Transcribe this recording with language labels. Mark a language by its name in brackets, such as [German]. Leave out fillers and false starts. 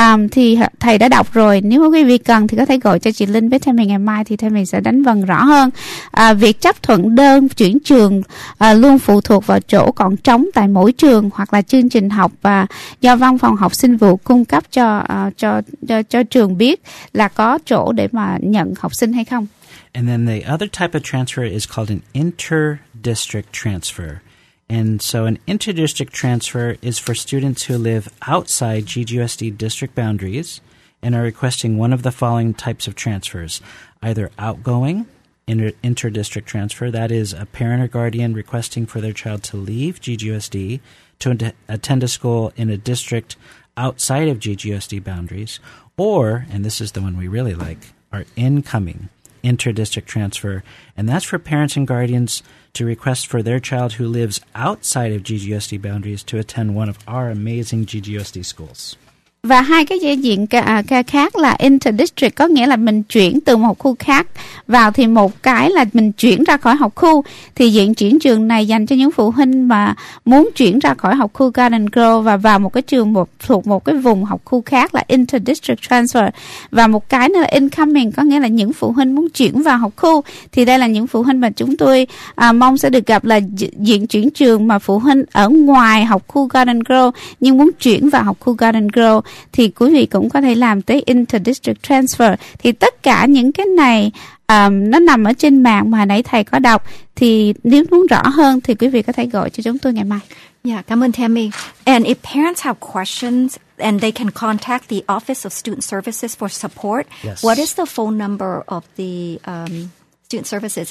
[Vietnamese] Thì thầy đã đọc rồi, nếu quý vị cần thì có thể gọi cho chị Linh với Tammy ngày mai thì Tammy sẽ đánh vần rõ hơn. Việc chấp thuận đơn chuyển trường luôn phụ thuộc vào chỗ còn trống tại mỗi trường hoặc là chương trình học và do văn phòng học sinh vụ cung cấp cho trường biết là có chỗ để mà nhận học sinh hay không. [English] And then the other type of transfer is called an inter-district transfer. And so an inter-district transfer is for students who live outside GGUSD district boundaries and are requesting one of the following types of transfers, either outgoing inter-district transfer, that is a parent or guardian requesting for their child to leave GGUSD to attend a school in a district outside of GGUSD boundaries, or, and this is the one we really like, our incoming inter-district transfer, and that's for parents and guardians to request for their child who lives outside of GGUSD boundaries to attend one of our amazing GGUSD schools. [Vietnamese] Và hai cái giao diện khác là inter-district, có nghĩa là mình chuyển từ một khu khác vào, thì một cái là mình chuyển ra khỏi học khu. Thì diện chuyển trường này dành cho những phụ huynh mà muốn chuyển ra khỏi học khu Garden Grove và vào một cái trường thuộc một cái vùng học khu khác là inter-district transfer. Và một cái nữa là incoming, có nghĩa là những phụ huynh muốn chuyển vào học khu. Thì đây là những phụ huynh mà chúng tôi mong sẽ được gặp, là diện chuyển trường mà phụ huynh ở ngoài học khu Garden Grove nhưng muốn chuyển vào học khu Garden Grove. Thì quý vị cũng có thể làm tới inter-district transfer. Thì tất cả những cái này nó nằm ở trên mạng mà nãy thầy có đọc. Thì nếu muốn rõ hơn thì quý vị có thể gọi cho chúng tôi ngày mai. Yeah, cảm ơn Tammy. [English] And if parents have questions and they can contact the Office of Student Services for support. Yes. What is the phone number of the Student Services?